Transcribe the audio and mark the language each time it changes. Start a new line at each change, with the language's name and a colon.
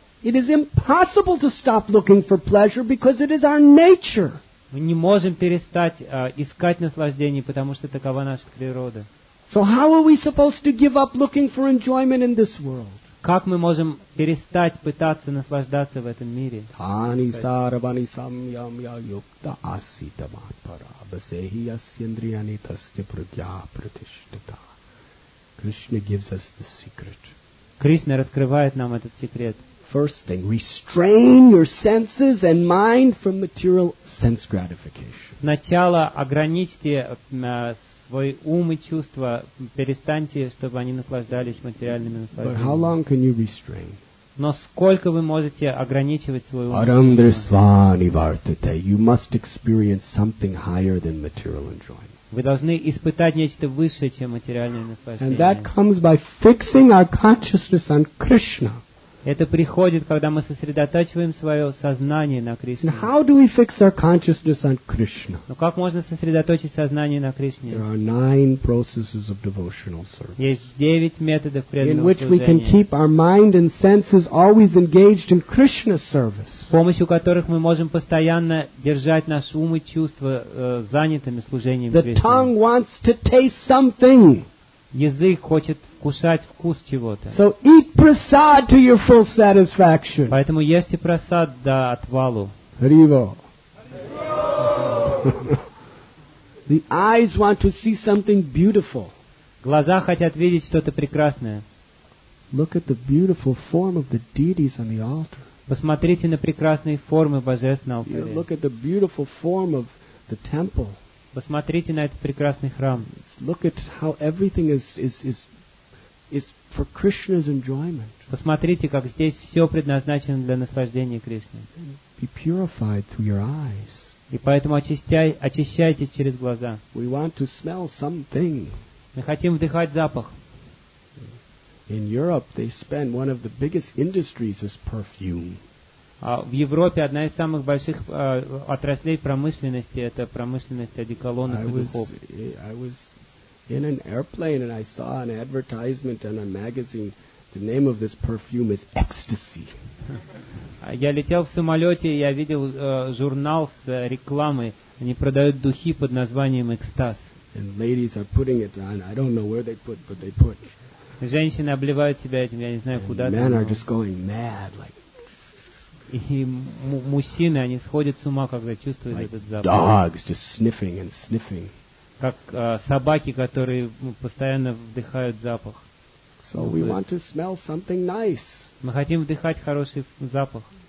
English: It is impossible to stop looking for pleasure because it is our nature.
Russian: Мы не можем перестать искать наслаждений, потому что такова наша природа.
English: So how are we supposed to give up looking for enjoyment in this world?
Russian: Как мы можем перестать пытаться наслаждаться в этом мире?
Sanskrit: Тани сарвани самьямья юкта асита матпара басехи асьяндрияни тасте прагья пратиштита.
English: Krishna gives us the secret.
Russian: Кришна раскрывает нам этот секрет.
English: First thing, restrain your senses and mind from material sense gratification.
Russian: Сначала ограничьте свой ум и чувства, перестаньте, чтобы они наслаждались материальными наслаждениями.
English: But how long can you restrain?
Russian: Но сколько вы можете ограничивать свой ум?
Sanskrit: Arandrisva nivartate.
English: You must experience something higher than material enjoyment.
Russian: Вы должны испытать нечто высшее, чем материальное наслаждение.
English: And that comes by fixing our consciousness on Krishna.
Russian: Это приходит, когда мы сосредотачиваем свое сознание на Кришне.
English: And how do we fix our consciousness on Krishna?
Russian: Но как можно сосредоточить сознание на Кришне?
English: There are 9 processes of devotional service.
Russian: Есть 9 методов преданного служения.
English: In which we can keep our mind and senses always engaged in Krishna service.
Russian: С помощью которых мы можем постоянно держать наш ум и чувства занятыми служением Кришне.
English: The tongue wants to taste something.
Russian: Язык хочет кусать вкус чего-то.
English: So eat prasad to your full satisfaction.
Russian: Поэтому ешьте прасад до отвалу. Hrivo.
English: The eyes want to see something beautiful.
Russian: Глаза хотят видеть что-то прекрасное.
English: Look at the beautiful form of the deities on the altar.
Russian: Посмотрите на прекрасные формы божественного алтаря.
English: Look at the beautiful form of the temple.
Russian: Посмотрите на этот прекрасный храм.
English: Look at how everything is for Krishna's enjoyment.
Russian: Посмотрите, как здесь все предназначено для наслаждения Кришны.
English: Be purified through your eyes.
Russian: И поэтому очищайтесь через глаза.
English: We want to smell something.
Russian: Мы хотим вдыхать запах.
English: In Europe, they spend one of the biggest industries is perfume.
Russian: В Европе одна из самых больших отраслей промышленности — это промышленность одеколонов и духов.
English: I was in an airplane and I saw an advertisement on a magazine. The name of this perfume is Ecstasy.
Russian: Я летел в самолете, я видел журнал с рекламой. Они продают духи под названием Экстаз.
English: And ladies are putting it on. I don't know where they put, but they put.
Russian: Женщины обливают себя этим, я не знаю куда.
English: Men are just going mad, like.
Russian: И мужчины, они сходят с ума, когда чувствуют
English: like
Russian: этот запах.
English: Dogs just sniffing and sniffing.
Russian: Как собаки, которые постоянно вдыхают запах.
English: So we want to smell something nice.
Russian: Мы хотим вдыхать хороший запах.